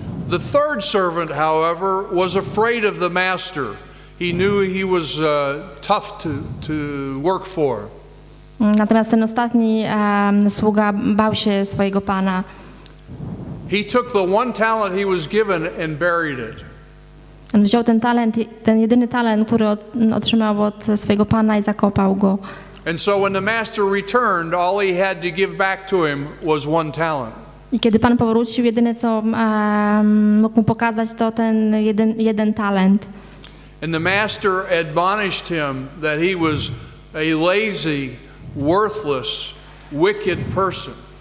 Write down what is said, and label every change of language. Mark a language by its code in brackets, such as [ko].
[en] The third servant, however, was afraid of the master. He knew he was tough to work for. [pl] Natomiast ten ostatni sługa bał się swojego pana. [en] He took the 1 talent he was given and buried it. [pl] On wziął ten talent, ten jedyny talent, który otrzymał od swojego pana, i zakopał go. [en] And so when the master returned, all he had to give back to him was 1 talent. [pl] I kiedy pan powrócił, jedyne, co mógł mu pokazać, to ten jeden talent. [en] And the master admonished him that he was a lazy, worthless, wicked person.